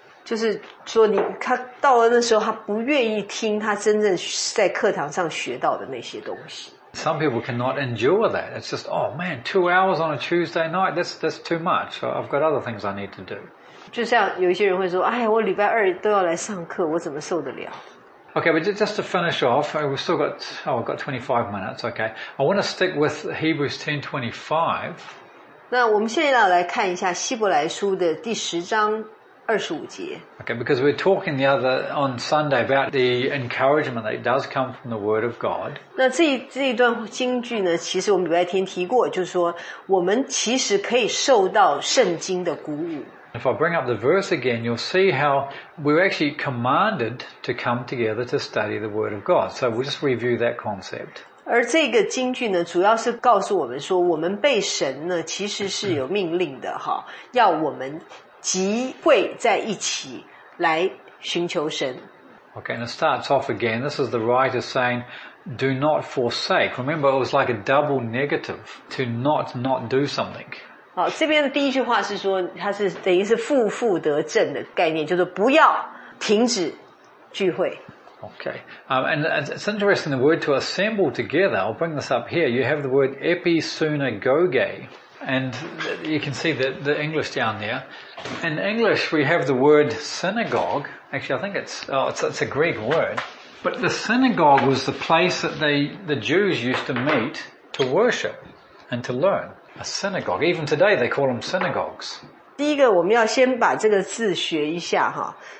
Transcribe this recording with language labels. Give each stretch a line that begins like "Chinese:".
Chinese: 就是说你他到了那时候他不愿意听他真正在课堂上学到的那些东西。
English: Some people cannot endure that. It's just, oh man, 2 hours on a Tuesday night, that's too much. So I've got other things I need to do.
Chinese: 就像有一些人会说，哎，我礼拜二都要来上课，我怎么受得了？
English: Okay, but just to finish off, we've still got, oh, we've got 25 minutes, okay. I want to stick with Hebrews 10:25.
Chinese: 那我们现在要来看一下希伯来书的第十章。
English: Okay, because we're talking the other on Sunday about the encouragement that does come from the Word of God.
Chinese: 那这一段经句呢，其实我们礼拜天提过，就是说我们其实可以受到圣经的鼓舞。
English: If I bring up the verse again, you'll see how we're actually commanded to come together to study the Word of God. So we'll just review that concept.
Chinese: 而这个经句呢，主要是告诉我们说，我们被神呢其实是有命令的哈，要我们。集会在一起来寻求神。
English: Okay, and it starts off again. This is the writer saying, do not forsake. Remember, it was like a double negative to not do something.
Chinese: 好，这边的第一句话是说，它是等于是负负得正的概念，就是不要停止聚会。
English: Okay, and it's interesting the word to assemble together. I'll bring this up here. You have the word episunagoge. And you can see the English down there. In English, we have the word synagogue. Actually, I think it's a Greek word. But the synagogue was the place that the Jews used to meet to worship and to learn. A synagogue. Even today, they call them synagogues.
Chinese: 第一个我们要先把这个字学一下哈。